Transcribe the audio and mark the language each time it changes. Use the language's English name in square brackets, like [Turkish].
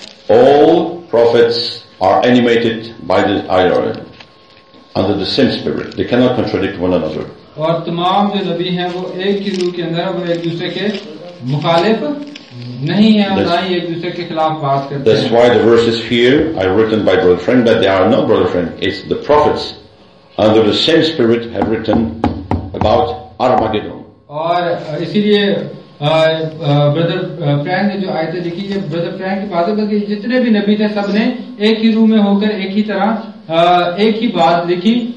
[English] All prophets are animated by the IRA under the same spirit. They cannot contradict one another. [Hindi] और तमाम जो नबी हैं वो एक ही रूह के अंदर वो एक दूसरे के मुखालिफ नहीं है और ना ही एक दूसरे के खिलाफ बात करते हैं. [English] That's why the verses here are written by brother friend, but they are not brother friend. It's the prophets under the same spirit have written about Armageddon. [Hindi] और इसीलिए ब्रदर फ्रैंक ने जो आयत लिखी है, ब्रदर फ्रैंक की बात है, जितने भी नबी थे सब ने एक ही रूह में होकर एक ही तरह एक ही बात लिखी,